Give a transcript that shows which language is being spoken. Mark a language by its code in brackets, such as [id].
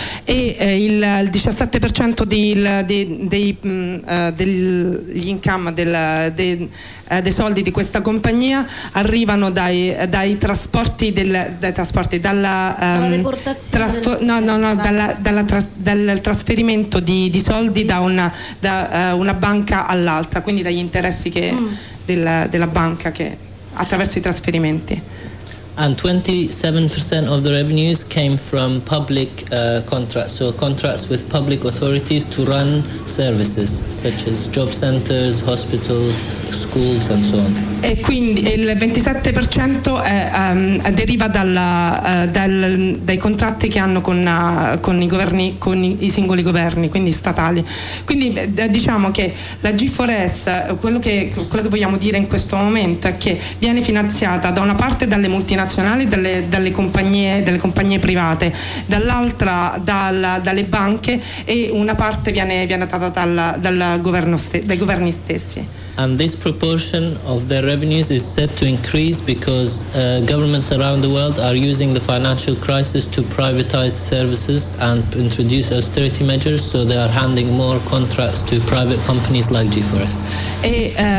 [it] E il 17% degli income dei soldi di questa compagnia arrivano dal trasferimento di soldi da una banca all'altra, quindi dagli interessi della banca che attraverso i trasferimenti. [en] And 27% of the revenues came from public contracts, so contracts with public authorities to run services such as job centers, hospitals, schools and so on. [it] E quindi il 27% deriva dai contratti che hanno con i singoli governi, quindi statali. Quindi diciamo che la G4S, quello che vogliamo dire in questo momento è che viene finanziata da una parte dalle multinazionali, dalle compagnie private, dall'altra dalle banche e una parte viene data dai governi stessi. [en] And this proportion of their revenues is set to increase because governments around the world are using the financial crisis to privatize services and introduce austerity measures, so they are handing more contracts to private companies like G4S.